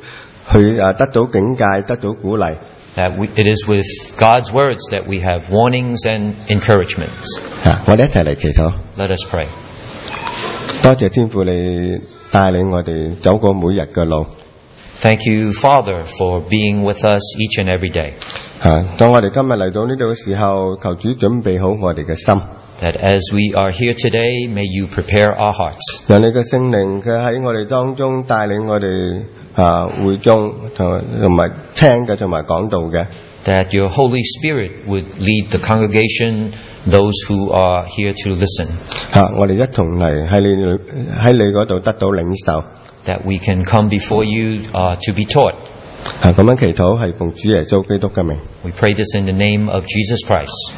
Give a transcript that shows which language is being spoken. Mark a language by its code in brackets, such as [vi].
[zh] 我们来到这里,去在神的话语里面,我们听到,去得到警戒,得到鼓励。 [en] It is with God's words that we have warnings and encouragements. [zh] 我们一起来祈祷。 [en] Let us pray. [zh] 多谢天父你带领我们走过每日的路。 [en] Thank you, Father, for being with us each and every day. [zh] 当我们今天来到这里的时候，求主准备好我们的心。 [en] That as we are here today, may you prepare our hearts. [zh] 让你的圣灵在我们当中带领我们会众和听的和讲道的。 [en] That your Holy Spirit would lead the congregation, those who are here to listen. [zh] 我们一同来在你那里得到领受。 [en] That we can come before you to be taught. [zh] 这样祈祷是奉主耶稣基督的名。 [en] We pray this in the name of Jesus Christ.